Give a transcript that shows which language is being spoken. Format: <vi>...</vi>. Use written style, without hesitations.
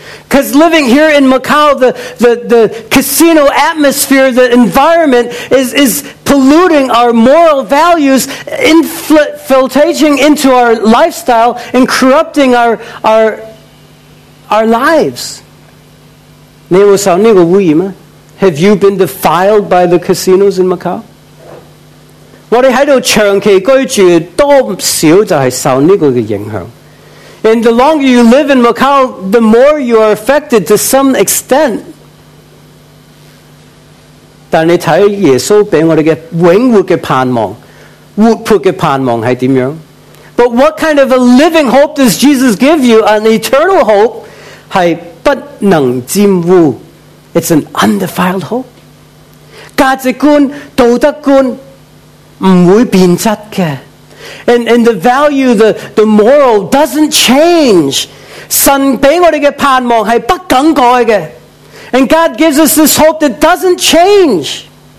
<en>Because living here in Macau, the casino atmosphere, the environment is polluting our moral values, infiltrating into our lifestyle and corrupting our lives.</en> <zh>你有受这个污染吗?</zh> <en>Have you been defiled by the casinos in Macau?</en> <zh>我们在这里长期居住多少就是受这个影响。</zh> <en>And the longer you live in Macau, the more you are affected to some extent.</en> <zh>但你看耶稣给我们的永活的盼望, 活泼的盼望是怎样?</zh> <en>But what kind of a living hope does Jesus give you? An eternal hope?</en> <zh>是不能沾污,</zh> <en>it's an undefiled hope.</en> <zh>价值观, 道德观, 不会变质的。</zh> <en>And the value, the moral doesn't change.</en> <zh>神给我们的盼望是不更改的。</zh> <en>And God gives us this hope that doesn't change.</en>